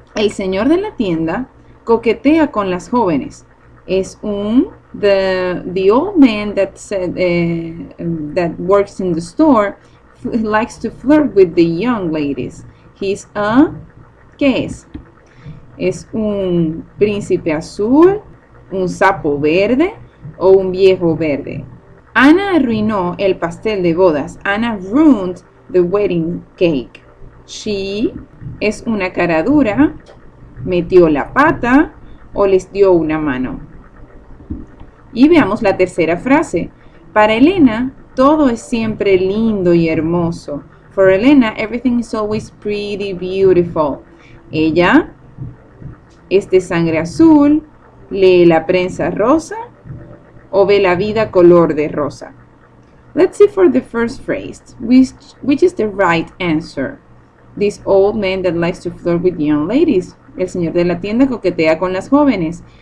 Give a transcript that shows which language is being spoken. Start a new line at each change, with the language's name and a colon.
Spanish: El señor de la tienda coquetea con las jóvenes. Es un
English: the old man that said that works in the store likes to flirt with the young ladies. He's a
Spanish: ¿qué es? Es un príncipe azul, un sapo verde o un viejo verde. Ana arruinó el pastel de bodas.
English: Ana ruined the wedding cake. She
Spanish: es una cara dura, metió la pata o les dio una mano. Y veamos la tercera frase. Para Elena, todo es siempre lindo y hermoso.
English: For Elena, everything is always pretty beautiful.
Spanish: Ella es de sangre azul, lee la prensa rosa o ve la vida color de rosa.
English: Let's see for the first phrase, which is the right answer. This old man that likes to flirt with young ladies.
Spanish: El señor de la tienda coquetea con las jóvenes.